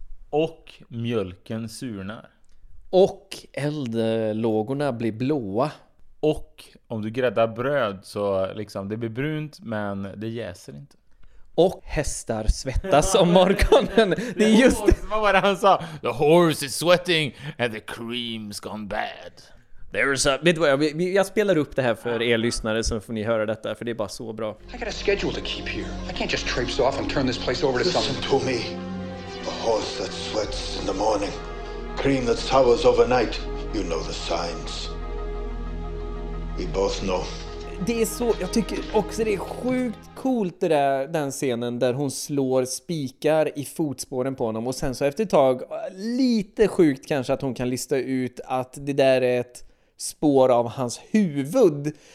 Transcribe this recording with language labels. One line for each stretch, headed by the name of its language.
Swedish: Och mjölken surnar. Och eldlågorna blir blåa. Och om du gräddar bröd så liksom det blir brunt men det jäser inte. Och hästar svettas om morgonen. Det är just det. Vad var det han sa?
English: The horse is sweating and the cream's gone bad. There's a...
Swedish: Vet du vad, jag spelar upp det här för er lyssnare så får ni höra detta, för det är bara så bra.
English: I got a schedule to keep here. I can't just traipse off and turn this place over to something. Listen to me. The horse that sweats in the morning. Cream that sours overnight. You know the signs. We both know.
Swedish: Det är så, jag tycker också det är sjukt coolt det där, den scenen där hon slår spikar i fotspåren på honom. Och sen så efter ett tag, lite sjukt kanske att hon kan lista ut att det där är ett spår av hans huvud.